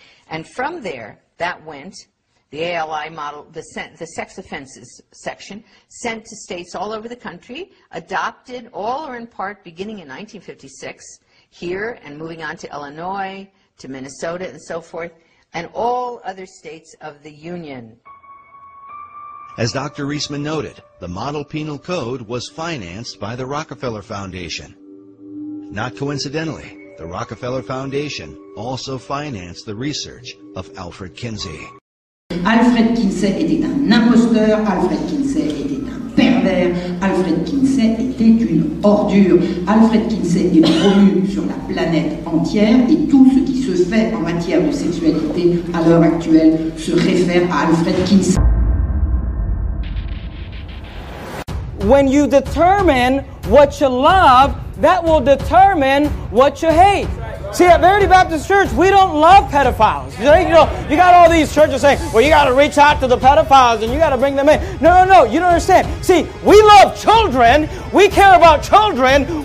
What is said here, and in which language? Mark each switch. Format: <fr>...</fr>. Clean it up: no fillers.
<en>And from there, that went. The ALI model, the sex offenses section, sent to states all over the country, adopted all or in part beginning in 1956 here and moving on to Illinois, to Minnesota, and so forth, and all other states of the Union. As Dr. Reisman noted, the Model Penal Code was financed by the Rockefeller Foundation. Not coincidentally, the Rockefeller Foundation also financed the research of Alfred Kinsey.</en> <fr>Alfred Kinsey était un imposteur, Alfred Kinsey était un pervers, Alfred Kinsey était une ordure. Alfred Kinsey est promu sur la planète entière et tout ce qui se fait en matière de sexualité à l'heure actuelle se réfère à Alfred Kinsey.</fr> <en>When you determine what you love, that will determine what you hate. See, at Verity Baptist Church, we don't love pedophiles. You know, you got all these churches saying, well, you got to reach out to the pedophiles and you got to bring them in. No, you don't understand. See, we love children. We care about children.</en>